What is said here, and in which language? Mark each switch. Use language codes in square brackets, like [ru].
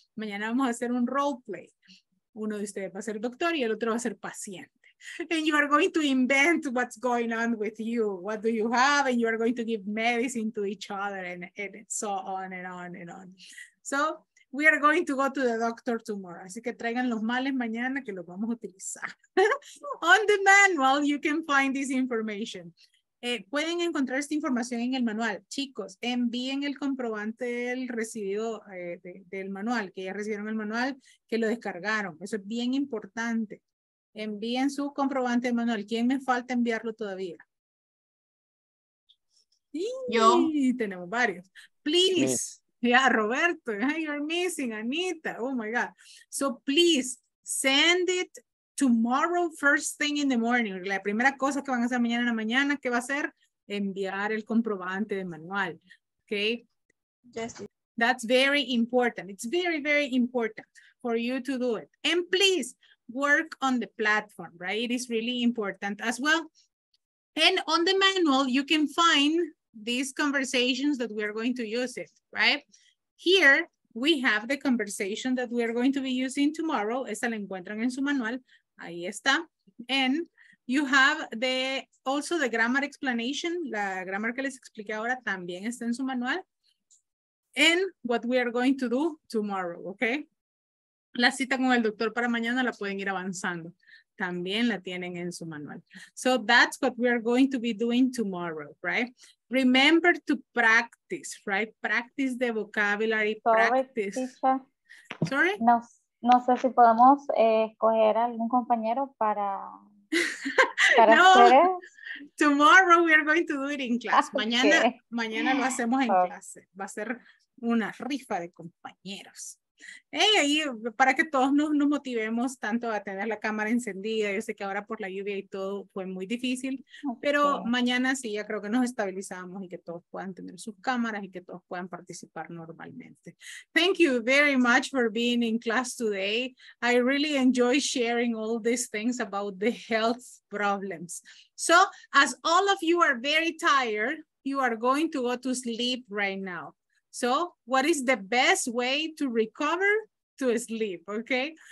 [es] Mañana vamos a hacer un role play. Uno de ustedes va a ser doctor y el otro va a ser paciente. [en] And you are going to invent what's going on with you. What do you have? And you are going to give medicine to each other and so on and on and on. So we are going to go to the doctor tomorrow. [es] Así que traigan los males mañana que los vamos a utilizar. [en] On the manual, you can find this information. [es] Pueden encontrar esta información en el manual. Chicos, envíen el comprobante del recibido del manual, que ya recibieron el manual, que lo descargaron. Eso es bien importante. Envíen su comprobante del manual. ¿Quién me falta enviarlo todavía? Yo. Y tenemos varios. [en] Please. Sí. Yeah, Roberto, you're missing, Anita. Oh my God. So please send it tomorrow, first thing in the morning. [es] La primera cosa que van a hacer mañana en la mañana, ¿qué va a ser? Enviar el comprobante de manual. Okay. [en] Yes. That's very important. It's very, very important for you to do it. And please work on the platform, right? It is really important as well. And on the manual, you can find these conversations that we are going to use it, right? Here, we have the conversation that we are going to be using tomorrow. [es] Esa la encuentran en su manual. Ahí está. [en] And you have also the grammar explanation. [es] La grammar que les expliqué ahora también está en su manual. [en] And what we are going to do tomorrow, okay? [es] La cita con el doctor para mañana la pueden ir avanzando. También la tienen en su manual. [en] So that's what we are going to be doing tomorrow, right? Remember to practice, right? Practice the vocabulary, practice. Ticha. Sorry? [es] No sé si podemos escoger algún compañero para [en] no. Ustedes. Tomorrow we are going to do it in class. [es] Mañana, mañana lo hacemos en clase. Va a ser una rifa de compañeros. Hey, ahí para que todos nos motivemos tanto a tener la cámara encendida. Yo sé que ahora por la lluvia y todo fue muy difícil, pero mañana sí ya creo que nos estabilizamos y que todos puedan tener sus cámaras y que todos puedan participar normalmente. [en] Thank you very much for being in class today. I really enjoy sharing all these things about the health problems. So as all of you are very tired, you are going to go to sleep right now. So what is the best way to recover? To sleep, okay?